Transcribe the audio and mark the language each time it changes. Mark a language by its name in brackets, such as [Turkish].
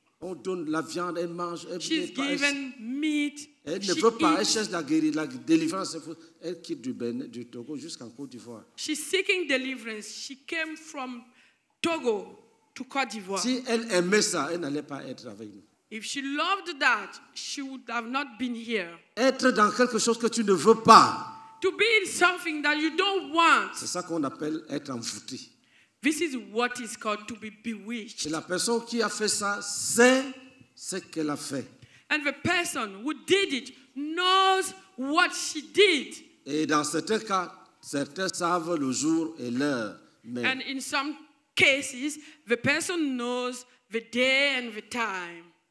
[French] On donne la viande, elle mange. Elle [English] she's given meat. [French] Elle ne veut pas. Elle cherche la guérison, la délivrance. Elle quitte du Bénin, du Togo jusqu'en Côte d'Ivoire. [English] She's seeking deliverance. She came from Togo to Côte d'Ivoire. [French] Si elle aimait ça, elle n'allait pas être avec nous. [English] If she loved that, she would have not been here. [French] Être dans quelque chose que tu ne veux pas. [English] To be in something that you don't want. [French] C'est ça qu'on appelle être envoûté. [English] This is what is called to be bewitched. [French] Et la personne qui a fait ça sait ce qu'elle a fait. [English] And the person who did it knows what she did. [French] Et dans certains cas, certains savent le jour et l'heure. Mais [English] and in some cases, the person knows the day and the time.